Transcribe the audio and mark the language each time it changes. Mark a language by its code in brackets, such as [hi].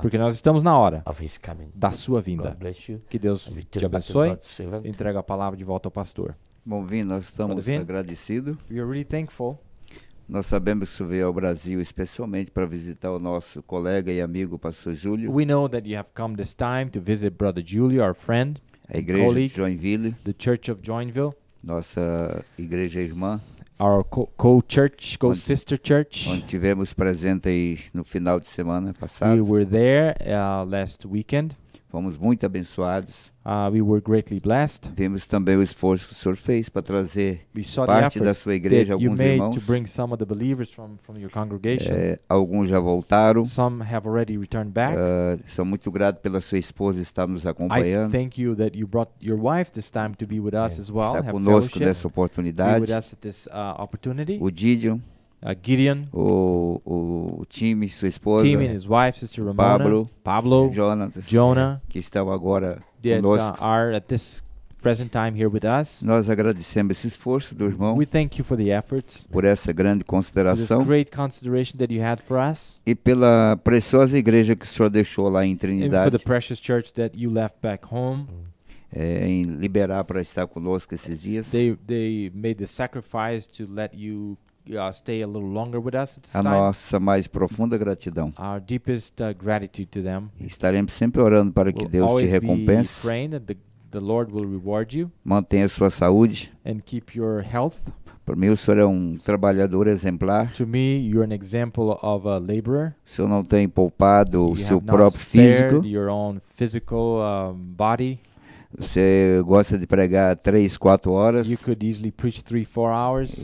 [pt] porque nós estamos na hora [en] of his coming, [pt] da sua vinda. [en] God bless you, [pt] que Deus te abençoe. Entrego a palavra de volta ao pastor. Bom, Vin, nós estamos agradecidos. [en] We are really thankful. [pt] Nós sabemos que você veio ao Brasil especialmente para visitar o nosso colega e amigo pastor Júlio. [en] We know that you have come this time to visit brother Julio, our friend, [pt] a igreja [en] colleague, [pt] de Joinville, [en] the Church of Joinville, [pt] nossa igreja irmã, [en] our co-church, co-sister church, [pt] onde tivemos presente aí no final de semana passado. [en] We were there last weekend. [pt] Fomos muito abençoados. [en] We were greatly blessed. [pt] Vimos também o esforço que o senhor fez para trazer parte da sua igreja, alguns irmãos. [en] You made to bring some of the believers from your congregation. [pt] Alguns já voltaram. [en] Some have already returned back. [pt] Sou muito grato pela sua esposa estar nos acompanhando. [en] I thank you that you brought your wife this time to be with us as well. [pt] Está conosco nessa oportunidade. [en] Be with us at this opportunity. [pt] O Gideon. [en] Gideon, [pt] o Tim e sua esposa, [en] Tim and his wife, Sister Ramona, Pablo, Jonathan, [pt] que estão agora conosco. [en] Are at this present time here with us. [pt] Nós agradecemos esse esforço do irmão. [en] We thank you for the efforts, [pt] por essa grande consideração, [en] for this great consideration that you had for us, [pt] e pela preciosa igreja que o senhor deixou lá em Trinidade. [en] And for the precious church that you left back home. [pt] Em liberar para estar conosco esses dias. [en] They made the sacrifice to let you stay a little longer with us at this time. [pt] Nossa mais profunda gratidão. [en] Our deepest gratitude to them. [pt] Estaremos sempre orando para que Deus te recompense. [en] Be praying that the Lord will reward you. [pt] Mantenha sua saúde. [en] And keep your health. [pt] Para mim, o senhor é um trabalhador exemplar. [en] To me, you're an example of a laborer. [pt] O senhor não tem poupado [en] you [pt] o seu próprio físico. [en] Your own physical, body. [pt] Você gosta de pregar 3, 4 horas. [en] You could easily preach 3, 4 hours.